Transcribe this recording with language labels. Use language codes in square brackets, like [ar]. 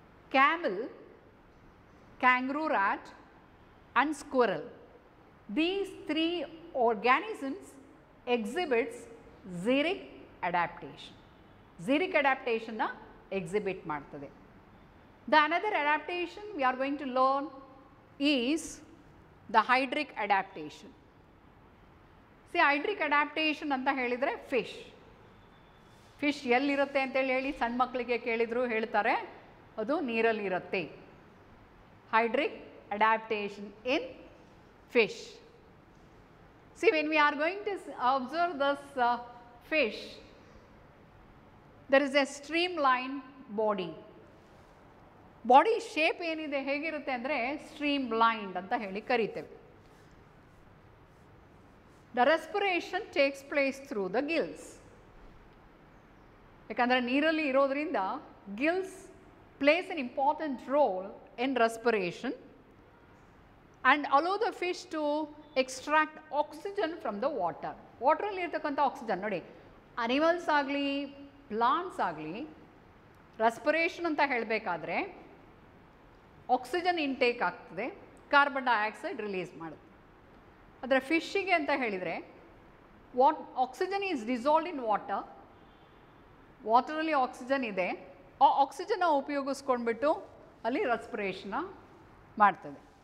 [en] Camel, kangaroo rat and squirrel, these three organisms exhibits xeric adaptation. [kn] Xeric adaptation na exhibit martade. [en] The another adaptation we are going to learn is the hydric adaptation. [kn] C ಹೈಡ್ರಿಕ್ adaptation ಅಂತ ಹೇಳಿದರೆ fish, fish ಎಲ್ಲಿರುತ್ತೆ ಅಂತೇಳಿ ಹೇಳಿ ಸಣ್ಣ ಮಕ್ಕಳಿಗೆ ಕೇಳಿದ್ರು ಹೇಳ್ತಾರೆ ಅದು ನೀರಲ್ಲಿರುತ್ತೆ. [en] Hydric adaptation in fish. See when we are going to observe this fish, there is a streamline body. [kn] Body shape ಏನಿದೆ ಹೇಗಿರುತ್ತೆ ಅಂದರೆ ಸ್ಟ್ರೀಮ್ ಲೈನ್ಡ್ ಅಂತ ಹೇಳಿ ಕರೀತೇವೆ. [en] The respiration takes place through the gills. [kn] ಯಾಕಂದರೆ ನೀರಲ್ಲಿ ಇರೋದ್ರಿಂದ [en] gills plays an important role in respiration and allow the fish to extract oxygen from the water. [kn] ವಾಟ್ರಲ್ಲಿ ಇರ್ತಕ್ಕಂಥ oxygen ನೋಡಿ, ಅನಿಮಲ್ಸ್ ಆಗಲಿ ಪ್ಲಾಂಟ್ಸ್ ಆಗಲಿ ರೆಸ್ಪಿರೇಷನ್ ಅಂತ ಹೇಳಬೇಕಾದ್ರೆ ಆಕ್ಸಿಜನ್ ಇಂಟೇಕ್ ಆಗ್ತದೆ, ಕಾರ್ಬನ್ ಡೈಆಕ್ಸೈಡ್ ರಿಲೀಸ್ ಮಾಡುತ್ತೆ. ಆದರೆ ಫಿಶ್ಗೆ ಅಂತ ಹೇಳಿದರೆ [en] what oxygen is dissolve in water, [kn] ವಾಟರಲ್ಲಿ oxygen ಇದೆ, ಆ ಆಕ್ಸಿಜನ್ನ ಉಪಯೋಗಿಸ್ಕೊಂಡ್ಬಿಟ್ಟು ಅಲ್ಲಿ ರೆಸ್ಪಿರೇಷನ್ನ ಮಾಡ್ತದೆ.